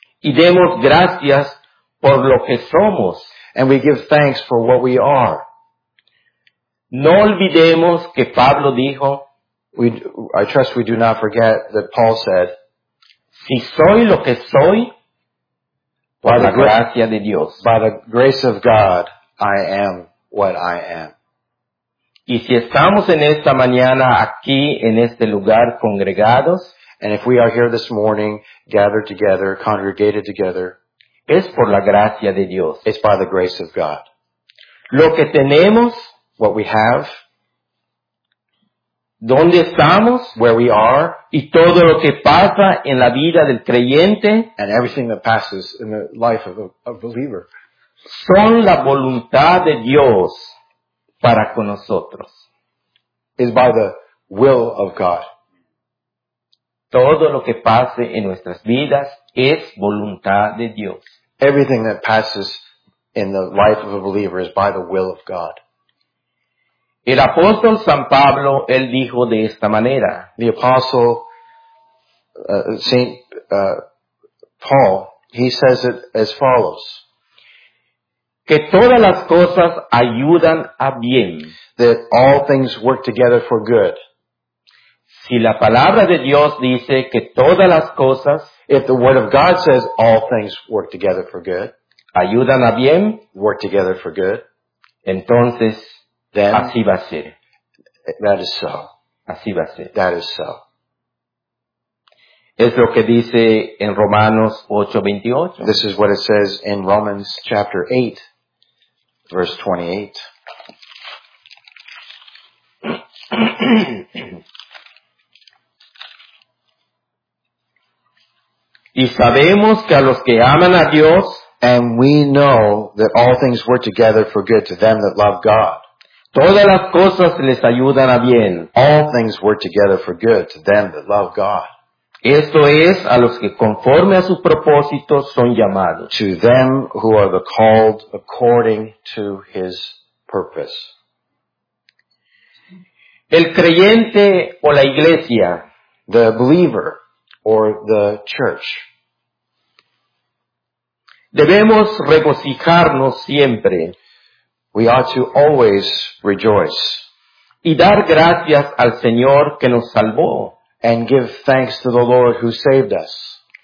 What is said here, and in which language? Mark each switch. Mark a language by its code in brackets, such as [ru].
[es] Y demos gracias por lo que somos. [en] And we give thanks for what we are. [es] No olvidemos que Pablo dijo. [en] I trust we do not forget that Paul said, [es] si soy lo que soy, por la gracia de Dios. [en] By the grace of God, I am what I am. [es] Y si estamos en esta mañana aquí, en este lugar, congregados, [en] and if we are here this morning, gathered together, congregated together, [es] es por la gracia de Dios. [en] It's by the grace of God. [es] Lo que tenemos, [en] what we have, [es] dónde estamos, [en] where we are, [es] y todo lo que pasa en la vida del creyente, [en] and everything that passes in the life of a believer, [es] son la voluntad de Dios para con nosotros. [en] Is by the will of God. [es] Todo lo que pase en nuestras vidas es voluntad de Dios. [en] Everything that passes in the life of a believer is by the will of God. [es] El apóstol San Pablo, él dijo de esta manera. [en] The apostle, Saint, Paul, he says it as follows. [es] Que todas las cosas ayudan a bien. [en] That all things work together for good. [es] Si la palabra de Dios dice que todas las cosas, [en] if the word of God says all things work together for good, [es] ayudan a bien, [en] work together for good, [es] entonces, [en] then, [es] así va a ser. [en] That is so. [es] Así va a ser. [en] That is so. [es] Es lo que dice en Romanos 8:28. [en] This is what it says in Romans chapter 8, verse 28. [es] Y sabemos que a los que aman a Dios, [en] and we know that all things work together for good to them that love God. [es] Todas las cosas les ayudan a bien. [en] All things work together for good to them that love God. [es] Esto es a los que conforme a su propósito son llamados. [en] To them who are the called according to his purpose. [es] El creyente o la iglesia. [en] The believer or the church. [es] Debemos regocijarnos siempre. [en] We ought to always rejoice. [es] Y dar gracias al Señor que nos salvó. [en] And give thanks to the Lord who saved us.